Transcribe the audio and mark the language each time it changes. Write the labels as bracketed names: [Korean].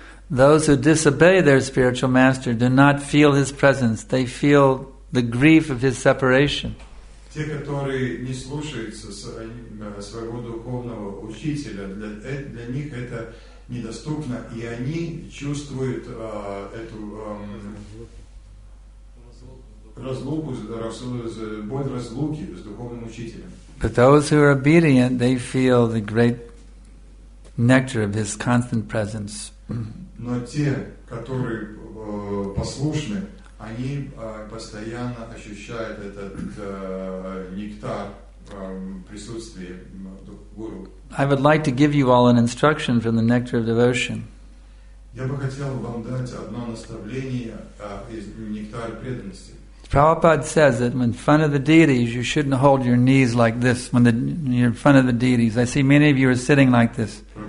[English] Those who disobey their spiritual master do not feel his presence. They feel the grief of his separation. [Russian] Те, которые не слушаются своего духовного учителя, для них это недоступно, и они чувствуют эту разлуку, боль разлуки с духовным учителем. [English] But those who are obedient, they feel the great nectar of his constant presence. [Russian] Но те, которые послушны, они постоянно ощущают этот нектар присутствия Гуру. [English] I would like to give you all an instruction from the nectar of devotion. [Russian] Я бы хотел вам дать одно наставление из нектара преданности. [English] Prabhupada says that in front of the deities, you shouldn't hold your knees like this when you're in front of the deities. I see many of you are sitting like this.